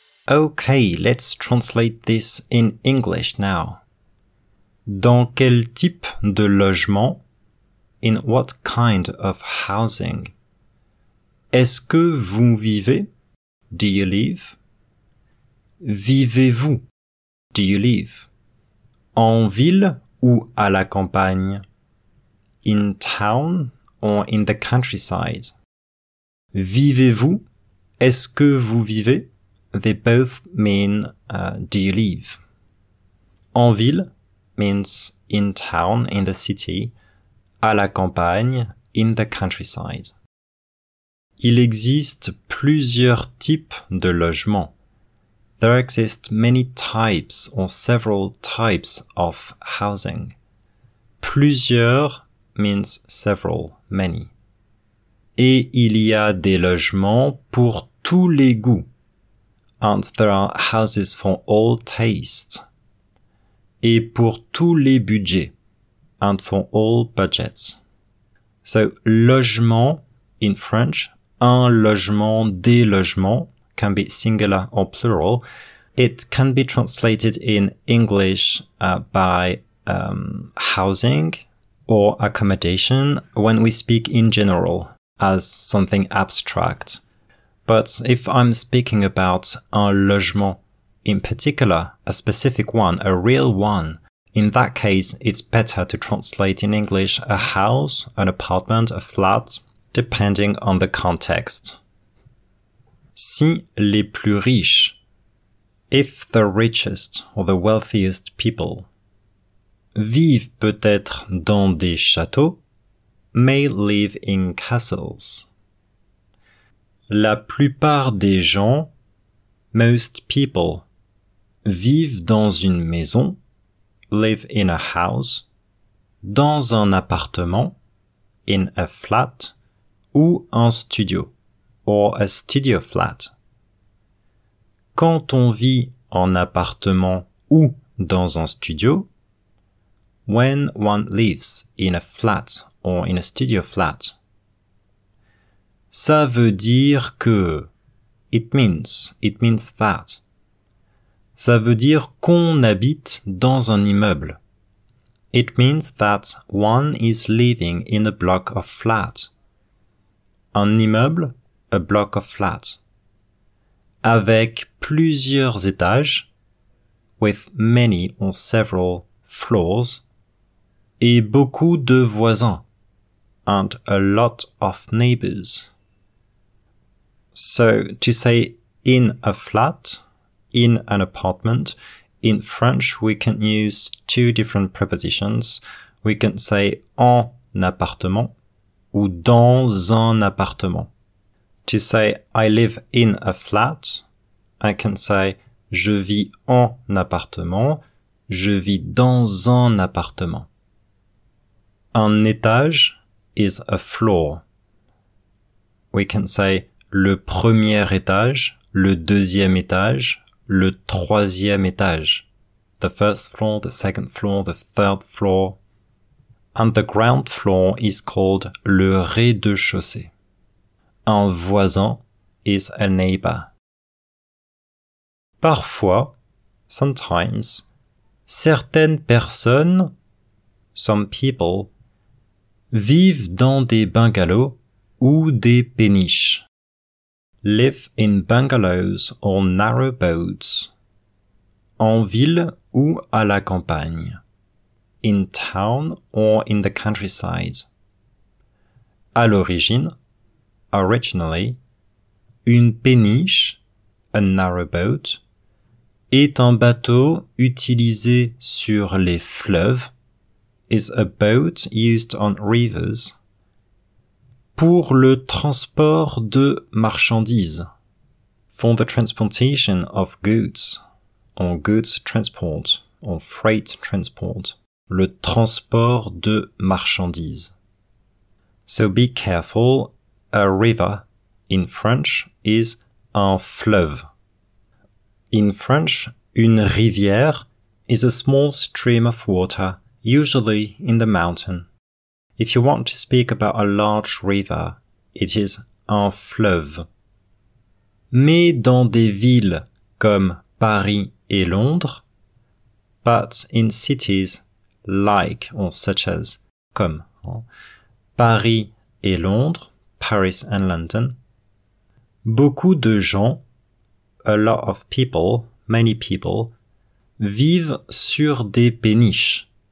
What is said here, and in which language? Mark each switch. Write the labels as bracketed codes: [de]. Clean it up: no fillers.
[en] Okay, let's translate this in English now. [fr] Dans quel type de logement? [en] In what kind of housing? [fr] Est-ce que vous vivez? [en] Do you live? [fr] Vivez-vous? [en] Do you live? [fr] En ville ou à la campagne? [en] In town or in the countryside? [fr] Vivez-vous? Est-ce que vous vivez? [en] They both mean, do you live? [fr] En ville [en] means in town, in the city. [fr] À la campagne, [en] in the countryside. [fr] Il existe plusieurs types de logements. [en] There exist many types or several types of housing. Plusieurs means several, many. [fr] Et il y a des logements pour tous les goûts. [en] And there are houses for all tastes. [fr] Et pour tous les budgets. [en] And for all budgets. So, logement, in French, [fr] un logement, des logements, [en] can be singular or plural. It can be translated in English by housing or accommodation when we speak in general as something abstract. But if I'm speaking about un logement in particular, a specific one, a real one, in that case, it's better to translate in English a house, an apartment, a flat, depending on the context. [fr] Si les plus riches, [en] if the richest or the wealthiest people, [fr] vivent peut-être dans des châteaux, [en] may live in castles. [fr] La plupart des gens, [en] most people, [fr] vivent dans une maison, [en] live in a house, [fr] dans un appartement, [en] in a flat, [fr] ou un studio, [en] or a studio flat. [fr] Quand on vit en appartement ou dans un studio, [en] when one lives in a flat or in a studio flat, [fr] ça veut dire que, [en] it means that. [fr] Ça veut dire qu'on habite dans un immeuble. [en] It means that one is living in a block of flat. [fr] Un immeuble, [en] a block of flat. [fr] Avec plusieurs étages, [en] with many or several floors, [fr] et beaucoup de voisins, [en] and a lot of neighbors. So, to say in a flat, in an apartment, in French we can use two different prepositions. We can say [fr] en appartement ou dans un appartement. [en] To say I live in a flat, I can say [fr] je vis en appartement, je vis dans un appartement. [en] Un étage is a floor. We can say [fr] le premier étage, le deuxième étage, le troisième étage. [en] The first floor, the second floor, the third floor. And the ground floor is called le rez-de-chaussée. Un voisin is a neighbor. [fr] Parfois, [en] sometimes, [fr] certaines personnes, [en] some people, [fr] vivent dans des bungalows ou des péniches. [en] Live in bungalows or narrow boats. [fr] En ville ou à la campagne. [en] In town or in the countryside. [fr] À l'origine, [en] originally, [fr] une péniche, [en] a narrow boat, [fr] est un bateau utilisé sur les fleuves, [en] is a boat used on rivers, [fr] pour le transport de marchandises, [en] for the transportation of goods, on goods transport, on freight transport, [fr] le transport de marchandises. [en] So be careful, a river in French is un fleuve. In French, une rivière is a small stream of water, usually in the mountain. If you want to speak about a large river, it is un fleuve. [fr] Mais dans des villes comme Paris et Londres, [en] but in cities like or such as, [fr] comme Paris et Londres, [en] Paris and London, [fr] beaucoup de gens, [en] a lot of people, many people, [fr] vivent sur des péniches,